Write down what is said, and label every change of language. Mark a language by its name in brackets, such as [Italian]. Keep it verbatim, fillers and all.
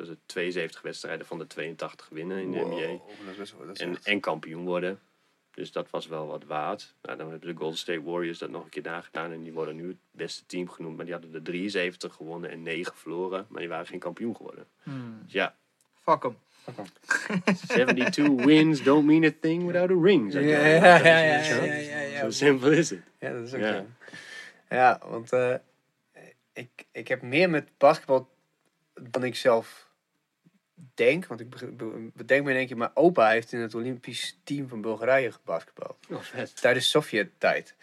[Dutch] Dus tweeënzeventig wedstrijden van de tweeëntachtig winnen in de wow, N B A. Dat is, dat is en, en kampioen worden. Dus dat was wel wat waard. Nou, dan hebben de Golden State Warriors dat nog een keer nagedaan. En die worden nu het beste team genoemd. Maar die hadden er drieënzeventig gewonnen en negen verloren. Maar die waren geen kampioen geworden. Hmm. Dus ja. [English] Fuck em. [Dutch] zevenentachtig [English] wins don't mean a thing without a ring. [Dutch] Ja, ja, ja, ja, ja, ja, ja, ja. Zo simpel is het. Ja, dat is ook ja. zo. Ja, want uh, ik, ik heb meer met basketbal dan ik zelf... denk, want ik bedenk me in één keer... mijn opa heeft in het Olympisch team van Bulgarije gebasketbald. Oh, tijdens Sovjet-tijd.